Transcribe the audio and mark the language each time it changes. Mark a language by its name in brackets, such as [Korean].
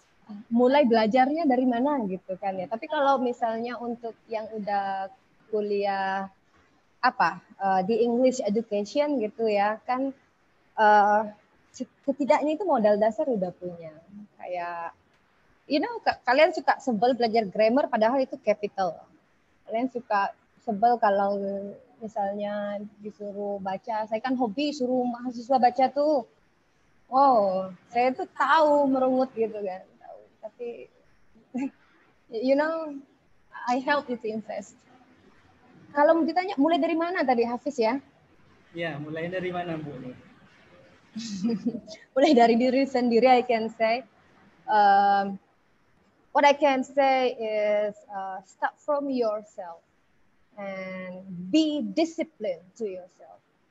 [Indonesian] Mulai belajarnya dari mana gitu kan ya. Tapi kalau misalnya untuk yang udah kuliah apa di English education gitu ya, kan setidaknya itu modal dasar udah punya. Kayak, [English] you know, [Indonesian] kalian suka sebel belajar grammar padahal itu capital. Kalian suka sebel kalau misalnya disuruh baca. Saya kan hobi suruh mahasiswa baca tuh. Wow, saya tuh tahu merungut gitu kan, tahu. [English] Tapi, you know, I help you to invest. [Indonesian] Kalau mau ditanya, mulai dari mana tadi Hafiz ya? Ya, mulai dari mana Bu? Mulai dari diri sendiri, [English] I can say. What I can say is start from yourself and be disciplined to yourself.